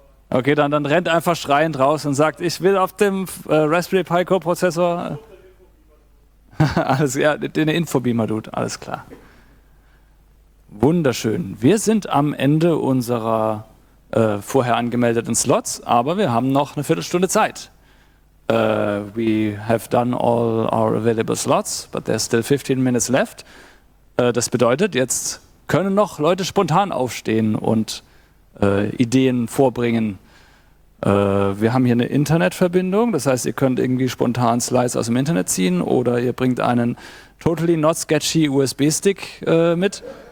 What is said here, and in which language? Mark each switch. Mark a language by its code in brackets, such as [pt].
[de] Okay, dann rennt einfach schreiend raus und sagt, ich will auf dem Raspberry Pi Coprozessor. Alles, ja, den Infobeamer-Dude, alles klar. Wunderschön. Wir sind am Ende unserer vorher angemeldeten Slots, aber wir haben noch eine Viertelstunde Zeit. [en] We have done all our available slots, but there's still 15 minutes left. [de] Das bedeutet, jetzt können noch Leute spontan aufstehen und Ideen vorbringen. Wir haben hier eine Internetverbindung, das heißt, ihr könnt irgendwie spontan Slides aus dem Internet ziehen oder ihr bringt einen [en] totally not sketchy [de] USB-Stick mit.